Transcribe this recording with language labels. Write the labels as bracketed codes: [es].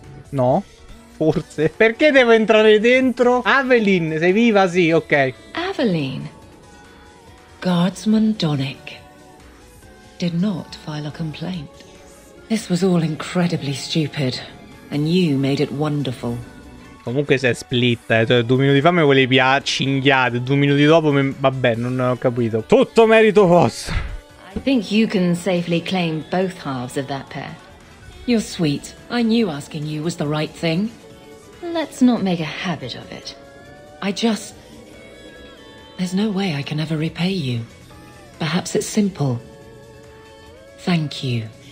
[it] No? Forse? Perché devo entrare dentro? Avelin, sei viva? Sì, ok. [en] Avelin? Guardsman Donick. Did not file a complaint. This was all incredibly stupid. And you made it wonderful. [it] Comunque sei split, cioè, 2 minuti fa mi volevi cinghiate, 2 minuti dopo mi... vabbè, non ho capito. Tutto merito vostro. [en] I think you can safely claim both halves of that pair. You're sweet. I knew asking you was the right thing. Let's not make a habit of it. I just... there's no way I can ever repay you. Perhaps it's simple. Thank you.